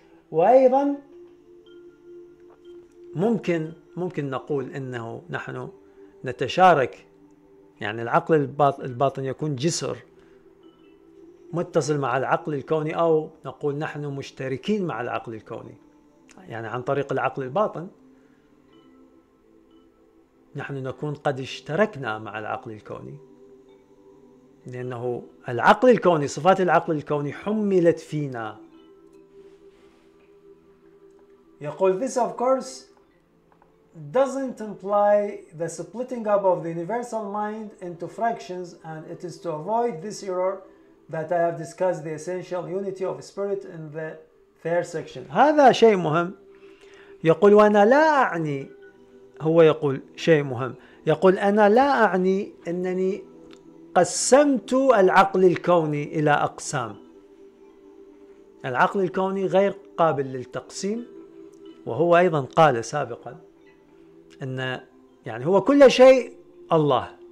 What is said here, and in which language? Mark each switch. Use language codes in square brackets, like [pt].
[ar] وأيضا ممكن نقول أنه نحن نتشارك يعني العقل الباطن يكون جسر متصل مع العقل الكوني أو نقول نحن مشتركين مع العقل الكوني يعني عن طريق العقل الباطن نحن نكون قد اشتركنا مع العقل الكوني لأنه العقل الكوني صفات العقل الكوني حملت فينا. يقول [en] this of course doesn't imply the splitting up of the universal mind into fractions and it is to avoid this error that I have discussed the essential unity of spirit in the third section. [ar] هذا شيء مهم. يقول وأنا لا أعني هو يقول شيء مهم. يقول أنا لا أعني أنني قسمت العقل الكوني إلى أقسام. العقل الكوني غير قابل للتقسيم. وهو أيضا قال سابقا أن يعني هو كل شيء الله.